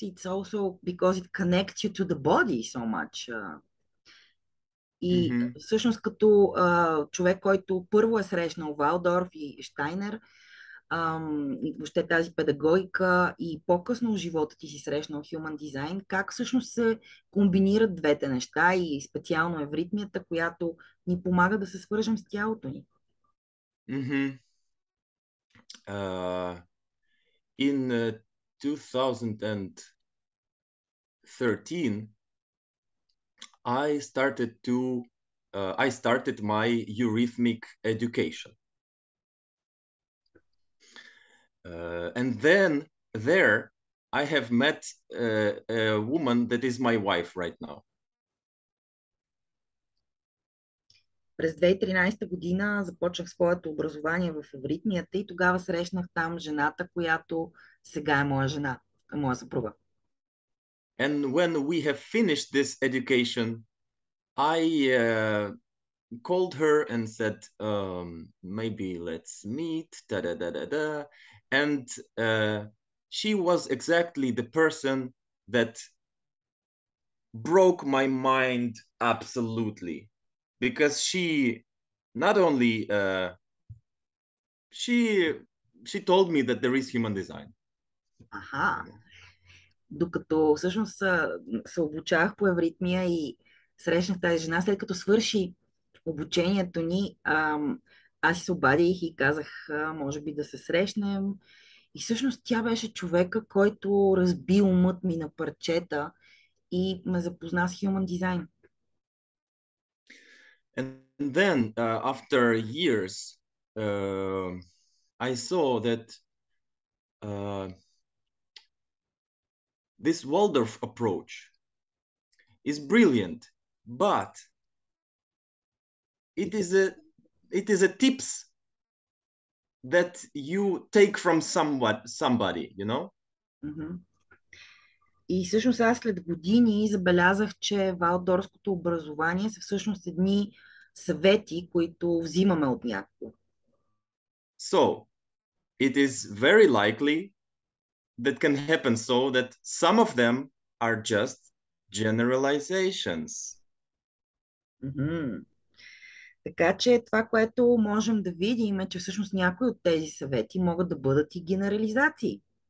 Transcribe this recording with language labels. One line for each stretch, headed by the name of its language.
English: It's also because it connects you to the body so much.
Bulgarian: И всъщност като човек, който първо е срещнал Валдорф и Штайнер, и въобще тази педагогика, и по-късно в живота ти си срещнал Human Design, как всъщност се комбинират двете неща и специално евритмията, която ни помага да се свържем с тялото ни?
English: In 2013 I started my eurythmic education. And then there I have met a woman that is my wife right now.
Bulgarian: През 2013 година започнах своето образование в евритмията и тогава срещнах там жената, която сега е моя жена, моя съпруга.
English: And when we have finished this education, I called her and said, maybe let's meet, da-da-da-da-da. And she was exactly the person that broke my mind absolutely. Because she not only, she told me that there is human design. Aha.
Bulgarian: Докато всъщност се обучавах по евритмия и срещнах тази жена, след като свърши обучението ни, аз се обадих и казах, може би да се срещнем. И всъщност тя беше човека, който разби умът ми на парчета и ме запозна с Human Design.
English: And then, after years, I saw that this Waldorf approach is brilliant, but it is a tips that you take from somebody, you know?
Bulgarian: И всъщност аз след години забелязах, че валдорфското образование са всъщност едни съвети, които взимаме от някого.
English: So, it is very likely that can happen so that some of them are just generalizations.
Bulgarian: Така че това, което можем да видим, е, че всъщност някои от тези съвети могат да бъдат и генерализации.